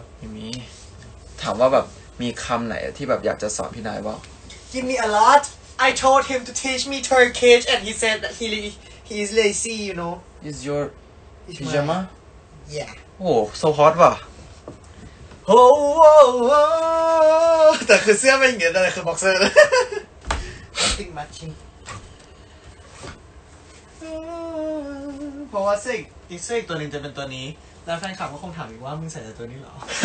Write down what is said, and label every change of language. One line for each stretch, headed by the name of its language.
Thai: มีถามว่าแบบมีคำไหนที่แบบอยากจะสอนพี่นายบ้าง
English: Give me a lot I told him to teach me Turkish and he said that he is lazy you know Is your pyjama Yeah
Thai: โอ้
English: so hot
Thai: ว่ะ
English: Oh oh oh
Thai: แต่คือเสื้อเป็นไงแต่คือบ็อกเซอร์
English: Nothing matching
Thai: เพราะว่าเสกอีกเสกตัวนึงจะเป็นตัวนี้แล้วแฟนคลับก็คงถามอีกว่ามึงใส่แต่ตัวนี้เหรอ